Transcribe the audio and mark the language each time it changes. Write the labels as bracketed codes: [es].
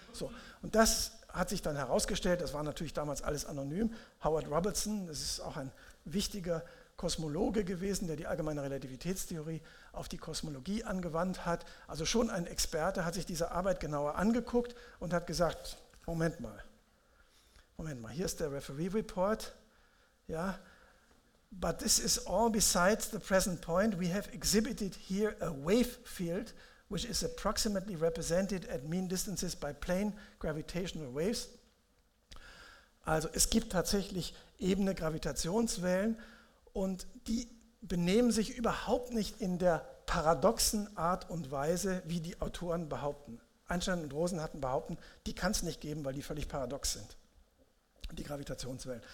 [de] So, und das hat sich dann herausgestellt, das war natürlich damals alles anonym, Howard Robertson, das ist auch ein wichtiger Kosmologe gewesen, der die allgemeine Relativitätstheorie auf die Kosmologie angewandt hat, also schon ein Experte, hat sich diese Arbeit genauer angeguckt und hat gesagt, Moment mal, hier ist der Referee-Report. [en] Ja, but this is all besides the present point. We have exhibited here a wave field, which is approximately represented at mean distances by plane gravitational waves. [de] Also es gibt tatsächlich ebene Gravitationswellen und die benehmen sich überhaupt nicht in der paradoxen Art und Weise, wie die Autoren behaupten. Einstein und Rosen hatten behaupten, die kann es nicht geben, weil die völlig paradox sind. Die Gravitationswellen.